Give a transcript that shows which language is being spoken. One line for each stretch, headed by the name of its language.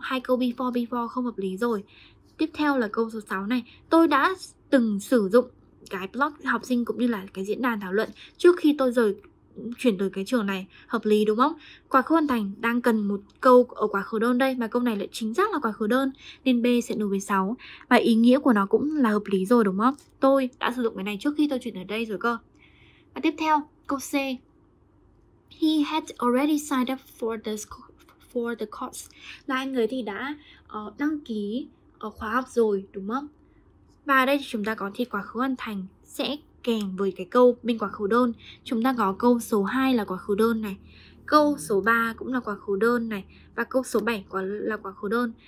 Vietnamese: Hai câu before, before không hợp lý rồi. Tiếp theo là câu số 6 này, tôi đã từng sử dụng cái blog học sinh cũng như là cái diễn đàn thảo luận trước khi tôi rời chuyển tới cái trường này, hợp lý đúng không? Quá khứ hoàn thành đang cần một câu ở quá khứ đơn đây, mà câu này lại chính xác là quá khứ đơn, nên B sẽ nối với 6. Và ý nghĩa của nó cũng là hợp lý rồi, đúng không? Tôi đã sử dụng cái này trước khi tôi chuyển ở đây rồi cơ. Và tiếp theo, câu C.
English: He had already signed up for the course.
Vietnamese: Là anh ấy thì đã đăng ký ở khóa học rồi, đúng không? Và đây chúng ta có thì quá khứ hoàn thành sẽ kèm với cái câu bên quá khứ đơn. Chúng ta có câu số 2 là quá khứ đơn này, câu số 3 cũng là quá khứ đơn này, và câu số 7 là quá khứ đơn.